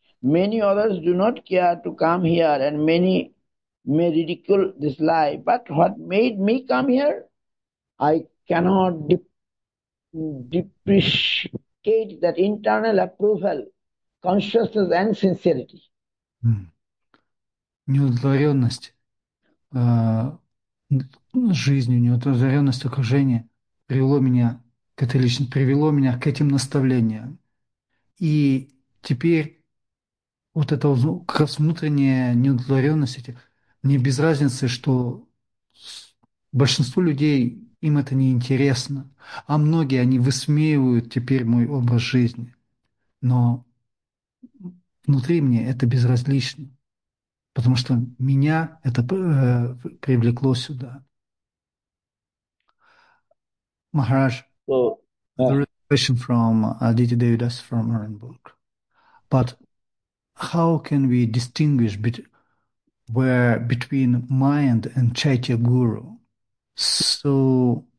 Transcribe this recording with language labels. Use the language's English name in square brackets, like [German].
[English] Many others do not care to come here, and many may ridicule this life. But what made me come here? I cannot depreciate that internal approval, consciousness, and sincerity. [Russian] Неудовлетворенность жизнью, неудовлетворенность окружения привело меня к этим наставлениям. И теперь вот эта как раз внутренняя неудовлетворенность, мне без разницы, что большинству людей им это не интересно, а многие, они высмеивают теперь мой образ жизни. Но внутри мне это безразлично. Потому что меня это привлекло сюда. [English] Махарадж, there is a question from Aditi Devidas from Orenburg. But how can we distinguish between mind and Chaitya Guru? So